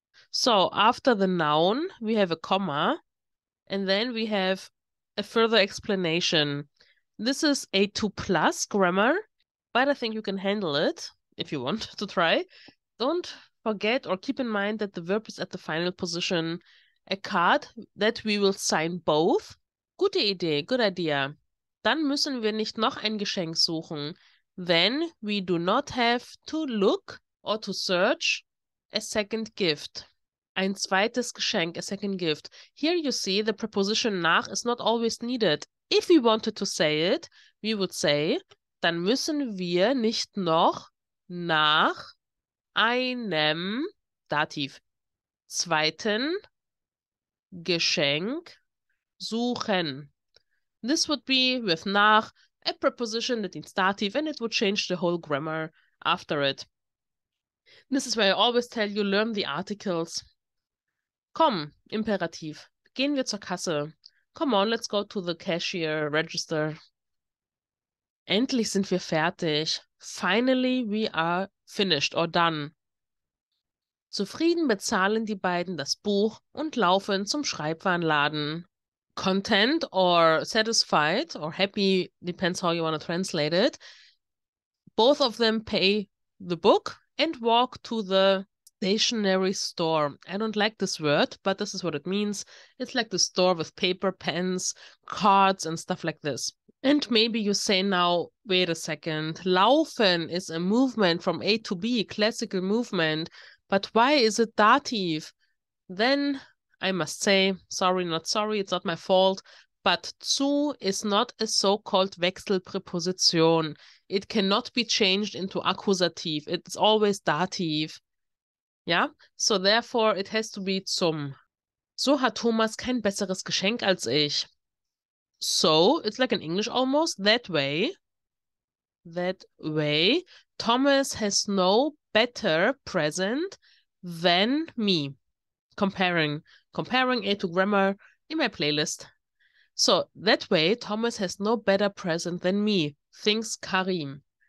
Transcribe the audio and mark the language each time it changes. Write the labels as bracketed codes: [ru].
[en] So, after the noun, we have a comma. And then we have a further explanation. This is A2+ grammar. But I think you can handle it if you want to try. Don't forget or keep in mind that the verb is at the final position. A card that we will sign both. [de] Gute Idee, [en] good idea. [de] Dann müssen wir nicht noch ein Geschenk suchen. [en] Then we do not have to look or to search a second gift. [de] Ein zweites Geschenk, [en] a second gift. Here you see the preposition nach is not always needed. If we wanted to say it, we would say, [de] dann müssen wir nicht noch nach einem Dativ zweiten Geschenk suchen. [en] This would be with nach a preposition that needs Dativ and it would change the whole grammar after it. This is where I always tell you, learn the articles. Komm, Imperativ. [de] Gehen wir zur Kasse. [en] Come on, let's go to the cashier register. [de] Endlich sind wir fertig. [en] Finally, we are finished or done. [de] Zufrieden bezahlen die beiden das Buch und laufen zum Schreibwarenladen. [en] Content or satisfied or happy, depends how you want to translate it. Both of them pay the book and walk to the stationery store. I don't like this word, but this is what it means. It's like the store with paper, pens, cards and stuff like this. And maybe you say now, wait a second. Laufen is a movement from A to B, classical movement. But why is it dative? Then I must say, sorry, not sorry, it's not my fault. But zu is not a so-called Wechselpräposition. It cannot be changed into accusative. It's always dative. Yeah? So therefore, it has to be zum. [de] So hat Thomas kein besseres Geschenk als ich. [en] So, it's like in English almost, that way, Thomas has no better present than me. Comparing A to grammar, E-Mail Playlist. So, that way Thomas has no better present than me, thinks Karim.